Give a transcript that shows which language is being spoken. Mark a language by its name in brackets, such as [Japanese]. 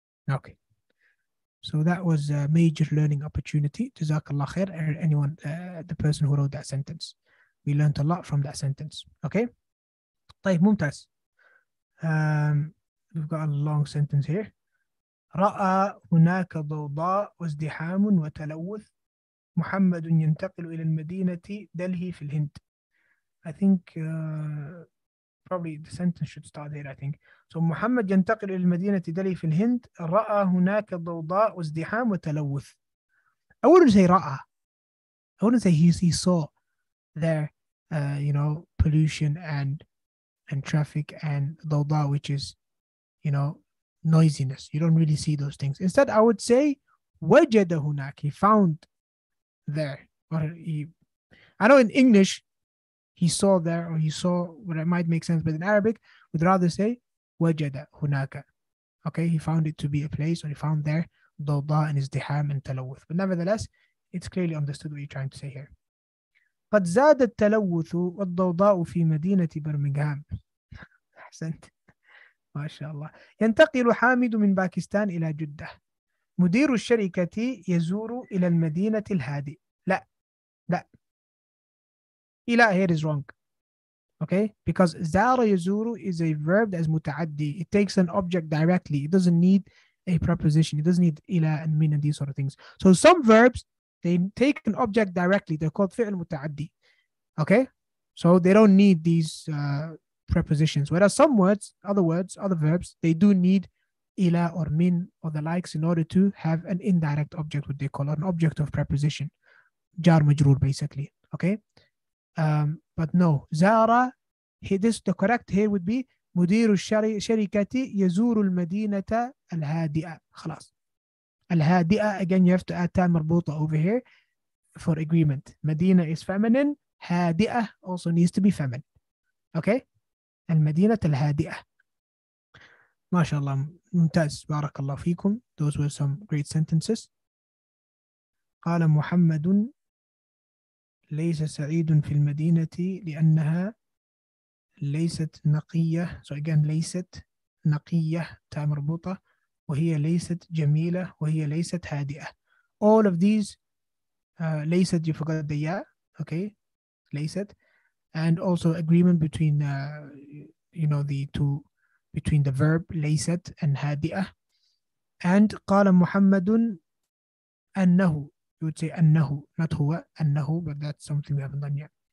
[English] Okay. So that was a major learning opportunity. Jazakallah khair, anyone, the person who wrote that sentence. We learned a lot from that sentence. [Arabic] Okay? طيب, ممتاز. [English] We've got a long sentence here. [Arabic] رأى هناك ضوضاء وازدحام وتلوث محمد ينتقل إلى المدينة دلهي في الهند. [English] I think probably the sentence should start there. I think so. [Arabic] محمد ينتقل إلى المدينة دلهي في الهند. رأى هناك ضوضاء وازدحام وتلوث. [English] I wouldn't say رأى. I wouldn't say he saw there, you know, pollution and traffic and ضوضاء, which is, you know, noisiness. You don't really see those things. Instead, I would say وجد هناك, he found there, or he, I know in English he saw there, or he saw, what it might make sense, but in Arabic we'd rather say وجد هناك. Okay, he found it to be a place, or he found there ضوضاء and ازدحام and تلوث. But nevertheless, it's clearly understood what you're trying to say here. [Arabic] قد زاد التلوث والضوضاء في مدينة برمنغهام. أحسنت. ما شاء الله. ينتقل حامد من باكستان إلى جدة. مدير الشركة يزور إلى المدينة الهادئة. لا لا لا, [English] here is wrong. Okay, because زار يزور is a verb that is متعدي. It takes an object directly. It doesn't need a preposition. It doesn't need إلى and من and these sort of things. So some verbs, they take an object directly. They're called [Arabic] فعل متعدي. [English] Okay, so they don't need these prepositions. Whereas some words, other verbs, they do need إلى or من or the likes in order to have an indirect object, what they call an object of preposition. [Arabic] جار مجرور [English] basically. Okay. But no, زارة, the correct here would be [Arabic] مدير الشركة يزور المدينة الهادئة. خلاص. [English] الهادئة, again, you have to add [Arabic] تاء مربوطة [English] over here for agreement. مدينة is feminine. هادئة also needs to be feminine. [Arabic] Okay. المدينة الهادئة. ما شاء الله. ممتاز. بارك الله فيكم. [English] Those were some great sentences. [Arabic] قال محمد ليس سعيد في المدينة لأنها ليست نقية. [English] So again, [Arabic] ليست نقية تاء مربوطة, وهي ليست جميلة, وهي ليست هادئة. [English] All of these ليست, you forgot the ya, okay, ليست, and also agreement between you know, the two, between the verb ليست and هادئة. And [Arabic] قال محمد أنه, [English] you would say أنه, not هو, أنه, but that's something we haven't done yet.